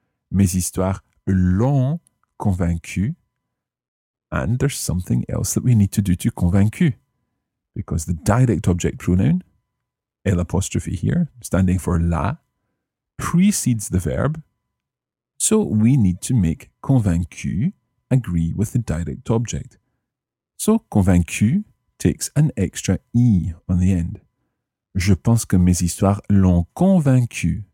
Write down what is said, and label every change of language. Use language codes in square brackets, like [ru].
[fr] Mes histoires l'ont convaincu. [en] And there's something else that we need to do to convaincu. Because the direct object pronoun, L apostrophe here, standing for la, precedes the verb. So we need to make convaincu agree with the direct object. So convaincu takes an extra I on the end. [fr] Je pense que mes histoires l'ont convaincu.